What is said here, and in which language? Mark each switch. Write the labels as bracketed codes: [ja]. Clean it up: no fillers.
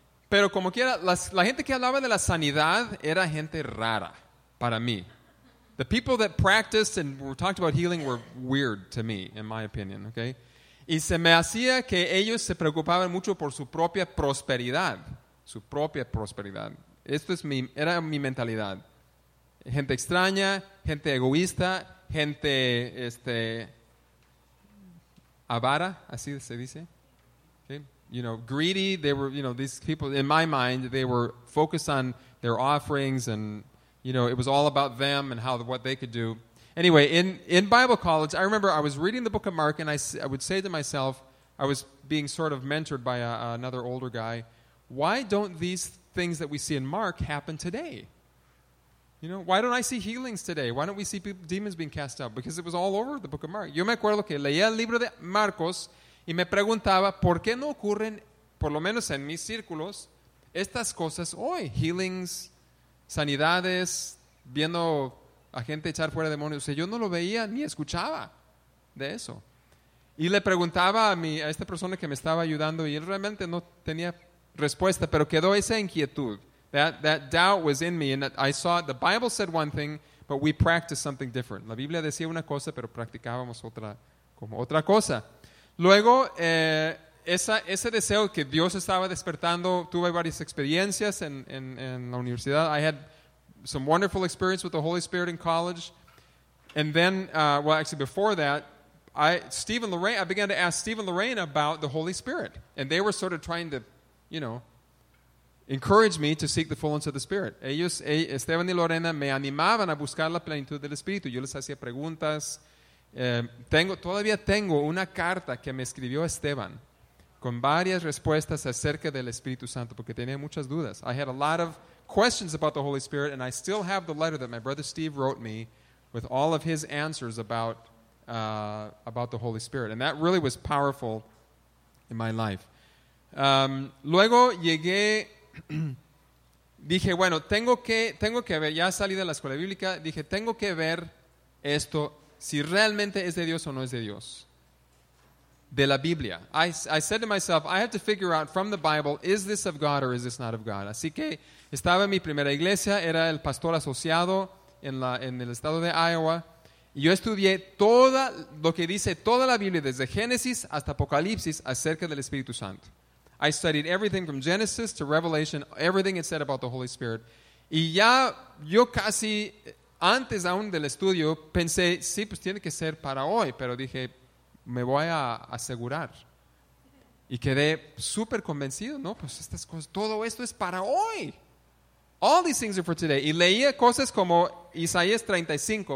[es] Pero como quiera, la gente que hablaba de la sanidad era gente rara para mí. [en] The people that practiced and talked about healing were weird to me, in my opinion, okay? [es] Y se me hacía que ellos se preocupaban mucho por su propia prosperidad. Su propia prosperidad. Esto es era mi mentalidad. Gente extraña, gente egoísta, gente avara, así se dice. [en] You know, greedy, they were, you know, these people, in my mind, they were focused on their offerings and, you know, it was all about them and what they could do. Anyway, in Bible college, I remember I was reading the book of Mark and I would say to myself, I was being sort of mentored by another older guy, why don't these things that we see in Mark happen today? You know, why don't I see healings today? Why don't we see demons being cast out? Because it was all over the book of Mark. [es] Yo me acuerdo que leía el libro de Marcos. Y me preguntaba, ¿por qué no ocurren, por lo menos en mis círculos, estas cosas hoy? Healings, sanidades, viendo a gente echar fuera demonios. O sea, yo no lo veía ni escuchaba de eso. Y le preguntaba a esta persona que me estaba ayudando y él realmente no tenía respuesta, pero quedó esa inquietud. [en] That doubt was in me and I saw the Bible said one thing, but we practiced something different. [es] La Biblia decía una cosa, pero practicábamos otra, como otra cosa. Luego, ese deseo que Dios estaba despertando, tuve varias experiencias en la universidad. [en] I had some wonderful experience with the Holy Spirit in college. And then, before that, I began to ask Steve and Lorraine about the Holy Spirit. And they were sort of trying to, you know, encourage me to seek the fullness of the Spirit. [es] Ellos, Esteban y Lorena, me animaban a buscar la plenitud del Espíritu. Yo les hacía preguntas. Todavía tengo una carta que me escribió Esteban con varias respuestas acerca del Espíritu Santo porque tenía muchas dudas. [en] I had a lot of questions about the Holy Spirit, and I still have the letter that my brother Steve wrote me with all of his answers about the Holy Spirit. And that really was powerful in my life. [es] Luego llegué, dije, bueno, tengo que ver, ya salí de la escuela bíblica, dije, tengo que ver esto, si realmente es de Dios o no es de Dios, de la Biblia. [en] I said to myself, I have to figure out from the Bible, is this of God or is this not of God? [es] Así que estaba en mi primera iglesia, era el pastor asociado en el estado de Iowa, y yo estudié todo lo que dice toda la Biblia, desde Génesis hasta Apocalipsis, acerca del Espíritu Santo. [en] I studied everything from Genesis to Revelation, everything it said about the Holy Spirit. [es] Y ya yo casi, antes aún del estudio, pensé, sí, pues tiene que ser para hoy. Pero dije, me voy a asegurar. Y quedé súper convencido, no, pues estas cosas, todo esto es para hoy. [en] All these things are for today. [es] Y leía cosas como Isaías 35.